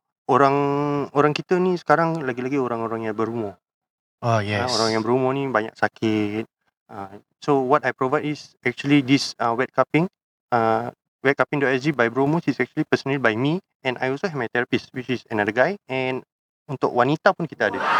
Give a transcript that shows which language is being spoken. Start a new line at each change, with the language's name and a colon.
Malay: orang kita ni sekarang lagi-lagi orang-orang yang berumur.
English: Oh yes.
Malay: Orang yang berumur ni banyak sakit.
English: So what I provide is actually this wet cupping. Wetcupping.sg by Bromus is actually personally by me, and I also have my therapist, which is another guy.
Malay: And untuk wanita pun kita ada.